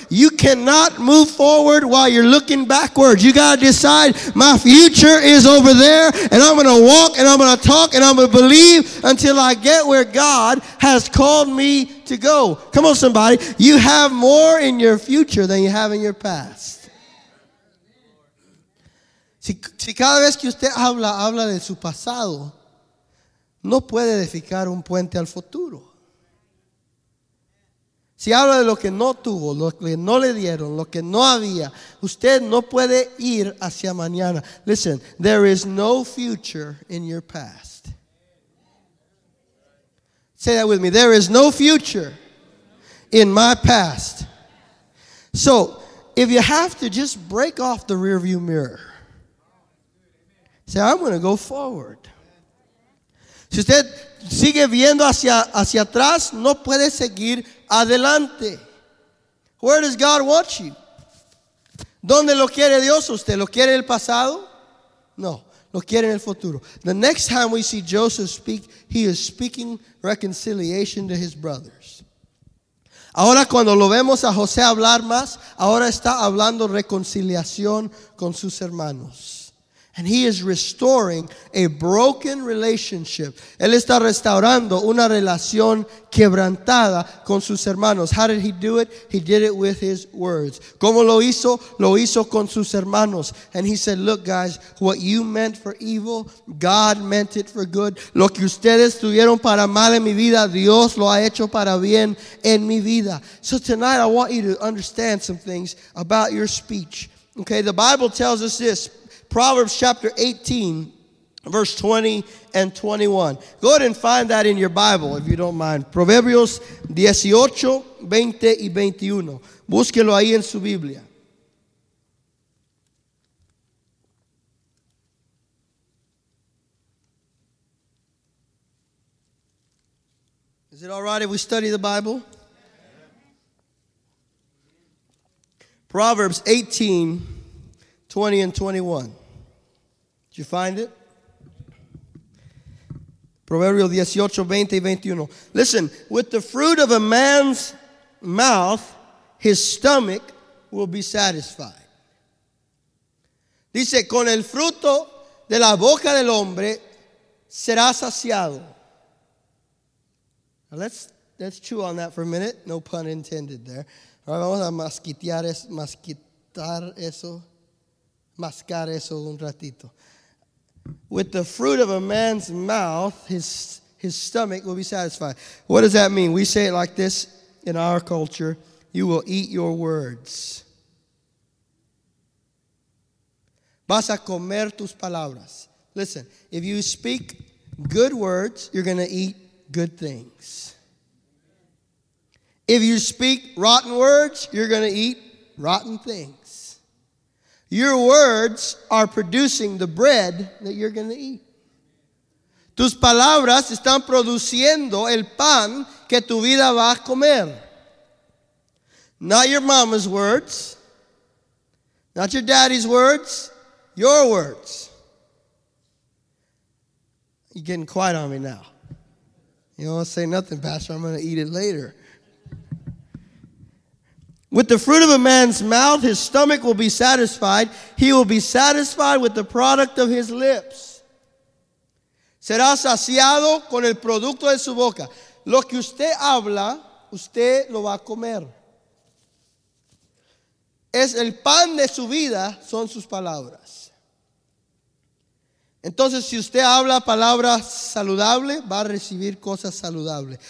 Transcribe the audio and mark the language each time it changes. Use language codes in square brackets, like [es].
[en] You cannot move forward while you're looking backwards. You got to decide, my future is over there, and I'm going to walk and I'm going to talk and I'm going to believe until I get where God has called me to go. Come on, somebody. You have more in your future than you have in your past. [es] Si cada vez que usted habla de su pasado, no puede edificar un puente al futuro. Si habla de lo que no tuvo, lo que no le dieron, lo que no había, usted no puede ir hacia mañana. [en] Listen, there is no future in your past. Say that with me. There is no future in my past. So, if you have to, just break off the rearview mirror. Say, I'm going to go forward. [es] Si usted sigue viendo hacia atrás, no puede seguir adelante. [en] Where does God want you? [es] ¿Dónde lo quiere Dios usted? ¿Lo quiere el pasado? No. Lo quiere en el futuro. [en] The next time we see Joseph speak, he is speaking reconciliation to his brothers. [es] Ahora cuando lo vemos a José hablar más, ahora está hablando reconciliación con sus hermanos. [en] And he is restoring a broken relationship. [es] Él está restaurando una relación quebrantada con sus hermanos. [en] How did he do it? He did it with his words. [es] ¿Cómo lo hizo? Lo hizo con sus hermanos. [en] And he said, look, guys, what you meant for evil, God meant it for good. [es] Lo que ustedes tuvieron para mal en mi vida, Dios lo ha hecho para bien en mi vida. [en] So tonight I want you to understand some things about your speech. Okay, the Bible tells us this. Proverbs chapter 18, verse 20 and 21. Go ahead and find that in your Bible, if you don't mind. [es] Proverbios 18, 20 y 21. Búsquelo ahí en su Biblia. [en] Is it all right if we study the Bible? Proverbs 18, 20 and 21. you find it? [es] Proverbios 18, 20 y 21. [en] Listen, with the fruit of a man's mouth, his stomach will be satisfied. [es] Dice, con el fruto de la boca del hombre será saciado. [en] Now let's chew on that for a minute. No pun intended there. All right, [es] vamos a mascar eso un ratito. [en] With the fruit of a man's mouth, his stomach will be satisfied. What does that mean? We say it like this in our culture. You will eat your words. [es] Vas a comer tus palabras. [en] Listen, if you speak good words, you're going to eat good things. If you speak rotten words, you're going to eat rotten things. Your words are producing the bread that you're going to eat. [es] Tus palabras están produciendo el pan que tu vida va a comer. [en] Not your mama's words. Not your daddy's words. Your words. You're getting quiet on me now. You don't want to say nothing, Pastor. I'm going to eat it later. With the fruit of a man's mouth, his stomach will be satisfied. He will be satisfied with the product of his lips. [es] Será saciado con el producto de su boca. Lo que usted habla, usted lo va a comer. Es el pan de su vida, son sus palabras. Entonces, si usted habla palabras saludables, va a recibir cosas saludables.